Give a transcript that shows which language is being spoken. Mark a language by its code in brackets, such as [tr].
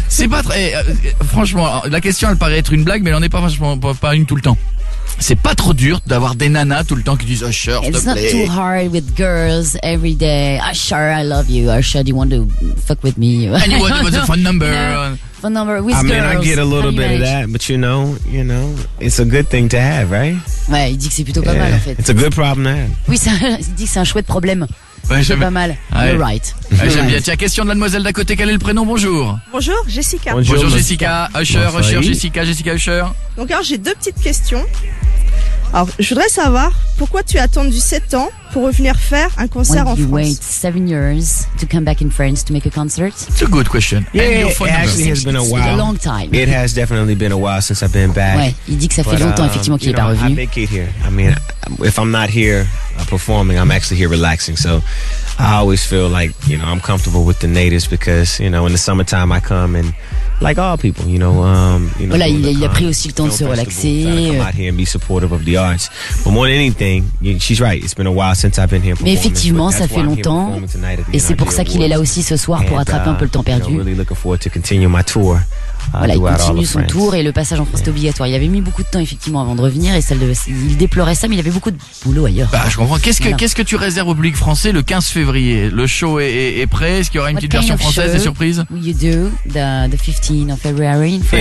[fr] C'est pas très franchement la question elle paraît être une blague mais elle en est pas franchement pas une tout le temps. C'est pas trop dur d'avoir des nanas tout le temps qui disent Usher, s'il te plaît. [en] It's not too hard with girls every day. Usher, I love you. Usher, do you want to fuck with me? And you want to put a phone number? Yeah. Phone number with girls. I mean, I get a little bit of that, but you know, it's a good thing to have, right? [fr] Ouais, il dit que c'est plutôt pas mal, en fait. [en] It's a good problem to have. [fr] Oui, il dit que c'est un chouette problème. Ouais, c'est pas mal. Ouais. [en] You're right. [fr] Ouais, j'aime bien. Tiens, question de la demoiselle d'à côté. Quel est le prénom? Bonjour. Bonjour, Jessica. Bonjour Jessica. Usher, bon, Usher, Jessica, Jessica Usher. Donc, alors, j'ai deux petites questions. Alors, je voudrais savoir pourquoi tu as attendu 7 ans pour revenir faire un concert [en] when [fr] en France. [en] When you wait 7 years to come back in France to make a concert? It's a good question. Yeah, and your phone number. Actually has been a while. It's been a long time. It has definitely been a while since I've been back. [fr] Ouais, il dit que ça fait longtemps effectivement qu'il est pas revenu. [en] I make it here. I mean, if I'm not here performing, I'm actually here relaxing. So I always feel like, you know, I'm comfortable with the natives because, you know, in the summertime I come and like all people, you know, [fr] voilà, il a pris aussi le temps de se relaxer. [en] Come out here and be supportive of the arts. But more than anything, she's right. It's been a while since I've been here. [fr] Mais effectivement, ça fait longtemps. Et c'est pour ça qu'il est là aussi ce soir pour attraper un peu le temps perdu. [en] Really looking forward to continue my tour. [fr] Voilà, il continue son tour et le passage en France est obligatoire. Il avait mis beaucoup de temps effectivement avant de revenir et il déplorait ça, mais il avait beaucoup de boulot ailleurs. Bah, je comprends. Qu'est-ce que tu réserves au public français le 15 février? Le show est prêt? Est-ce qu'il y aura une petite version française des surprises? [en] What kind of show will you do the 15th of February in France?